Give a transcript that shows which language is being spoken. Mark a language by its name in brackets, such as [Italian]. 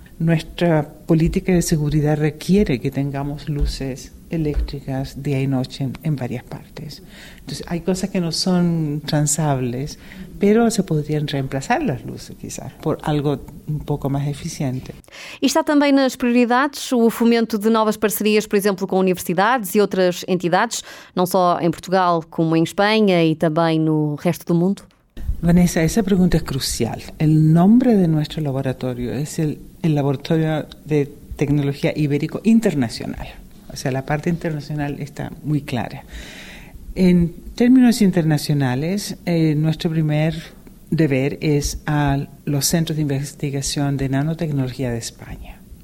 [Spanish] Nuestra política de seguridad requiere que tengamos luces eléctricas día y noche en varias partes. Entonces, hay cosas que no son transables, pero se podrían reemplazar las luces, quizás, por algo un poco más eficiente. [Portuguese] E está também nas prioridades o fomento de novas parcerias, por exemplo, com universidades e outras entidades, não só em Portugal, como em Espanha e também no resto do mundo? [Spanish] Vanessa, esa pregunta es crucial. El nombre de nuestro laboratorio es el Laboratorio de Tecnología Ibérico Internacional. O sea, la parte internacional está muy clara. En términos internacionales, nuestro primer deber es a los centros de investigación de nanotecnología de España.